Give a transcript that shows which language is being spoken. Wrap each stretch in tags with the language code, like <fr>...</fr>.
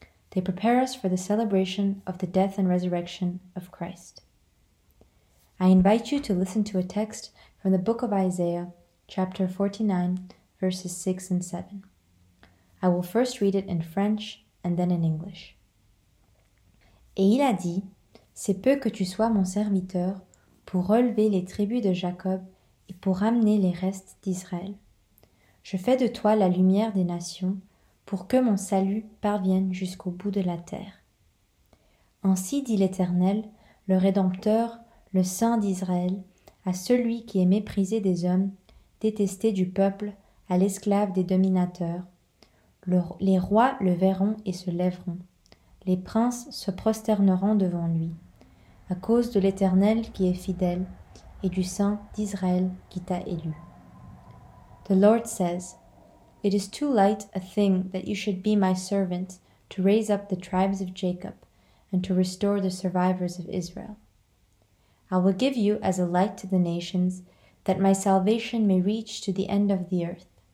<en>They prepare us for the celebration of the death and resurrection of Christ. I invite you to listen to a text from the book of Isaiah, chapter 49, verses 6 and 7. I will first read it in French and then in English.</en> <fr>Et il a dit, c'est peu que tu sois mon serviteur pour relever les tribus de Jacob et pour ramener les restes d'Israël. Je fais de toi la lumière des nations pour que mon salut parvienne jusqu'au bout de la terre. Ainsi dit l'Éternel, le Rédempteur, le Saint d'Israël, à celui qui est méprisé des hommes, détesté du peuple, à l'esclave des dominateurs. Les rois le verront et se lèveront. Les princes se prosterneront devant lui, à cause de l'Éternel qui est fidèle et du Saint d'Israël qui t'a élu.</fr> <en>The Lord says, it is too light a thing that you should be my servant to raise up the tribes of Jacob and to restore the survivors of Israel. I will give you as a light to the nations, that my salvation may reach to the end of the earth.</en>